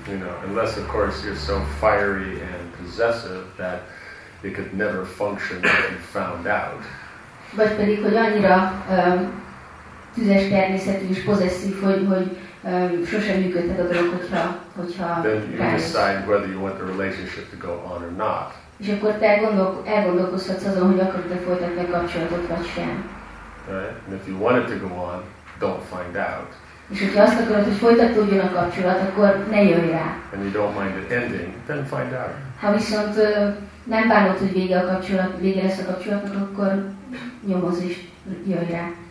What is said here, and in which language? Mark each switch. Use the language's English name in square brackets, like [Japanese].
[English] You know, unless of course you're so fiery and possessive that it could never function if you found out. [Hungarian] Vagy pedig, hogy annyira tüzes természetű és possessív, hogy sosem működhet a dolog, hogyha [English] then you [Hungarian] rájössz. [English] Decide whether you want the relationship to go on or not. [Hungarian] És akkor te elgondolkozhatsz azon, hogy akarod-e folytatni a kapcsolatot, vagy sem. [English] Right? And if you want it to go on, don't find out. [Hungarian] És hogyha azt akarod, hogy folytatódjon a kapcsolat, akkor ne jöjj rá. [English] And you don't mind it ending, then find out. [Hungarian] Ha viszont nem bánod, hogy vége a kapcsolat, vége lesz a kapcsolatnak, akkor nyomozz és jöjj rá.